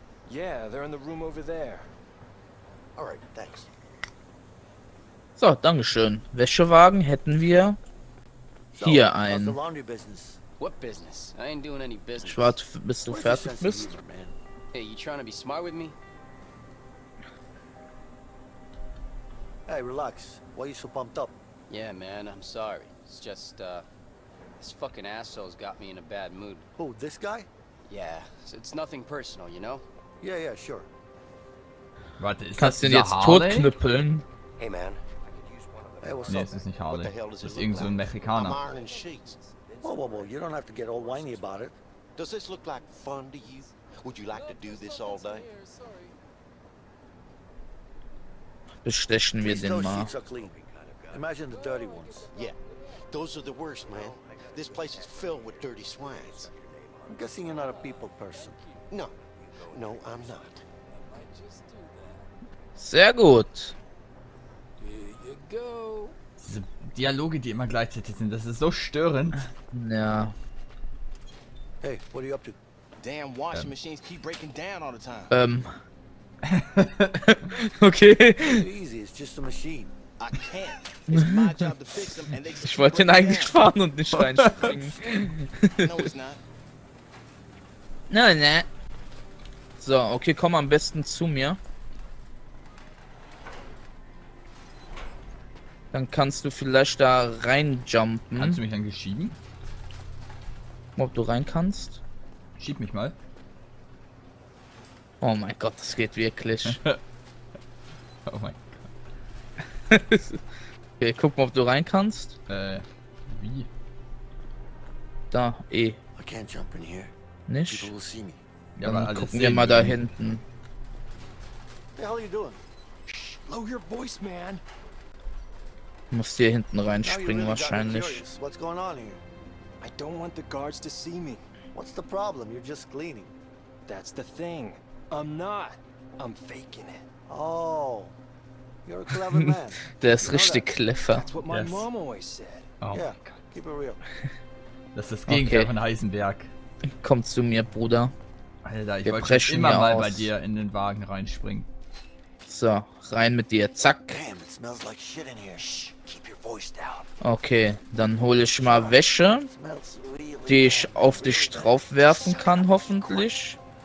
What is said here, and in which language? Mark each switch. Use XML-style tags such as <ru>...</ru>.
<en>Yeah, they're in the room over there. Alright, thanks.</en> <de>So, dankeschön. Wäschewagen hätten wir hier einen.</de> <en>What business? I ain't doing any business.</en> <de>Ich warte, bis du fertig bist.</de> <en>Hey, you trying to be smart with me? Hey, relax. Why are you so pumped up? Yeah, man, I'm sorry. It's just, this fucking asshole's got me in a bad mood. Who, this guy? Yeah, it's nothing personal, you know? Yeah, yeah, sure.</en> <de>Warte, ist kannst das den jetzt totknüppeln?</de> <en>Hey, man. Hey, what's up?</en> <de>Nee, es ist nicht Harley. Das ist irgend so ein Mexikaner.</de> <en>Whoa, you don't have to get all whiny about it. Does this look like fun to you? Would you like to do this all day?</en> <de>Bestechen wir den mal.</de> <en>Imagine the dirty ones. Yeah, those are the worst, man. This place is filled with dirty swine. I'm guessing you're not a people person. No, no, I'm not.</en> <de>Sehr gut.</de> <en>Here you go.</en> <de>Diese Dialoge, die immer gleichzeitig sind, das ist so störend. Ja.</de> <en>Hey, what are you up to? Damn, washing machines keep breaking down all the time. Okay. Easy, it's just a machine.</en> <de>Ich wollte ihn eigentlich fahren und nicht reinspringen. Nein, nein. So, okay, komm am besten zu mir. Dann kannst du vielleicht da reinjumpen. Kannst du mich dann schieben? Ob du rein kannst? Schieb mich mal. Oh mein Gott, das geht wirklich. Oh mein Gott. Okay, guck mal, ob du rein kannst. Wie? Da, eh.</de> <en>I can't jump in here.</en> <de>Nicht?</de> <en>People will see me.</en> <de>Ja, dann gucken wir mal da hinten.</de> <en>What the hell are you doing? Shh, low your voice, man.</en> <de>Muss hier hinten reinspringen wahrscheinlich.</de> <en>What's going on here? I don't want the guards to see me. What's the problem? You're just cleaning. That's the thing. I'm not. I'm faking it. Oh, you're a clever man.</en> <de>Der ist richtig clever.</de> <en>That's what my mom always said. Oh. Yeah, keep it real.</en> <de>Das ist das Gegenteil von Heisenberg. Komm zu mir, Bruder. Alter, ich wollte schon immer mal bei dir in den Wagen reinspringen. So, rein mit dir, zack.</de> <en>Damn, it smells like shit in here. Shh, keep your voice down.</en> <de>Okay, dann hole ich mal Wäsche, die ich auf dich drauf werfen kann, hoffentlich.</de>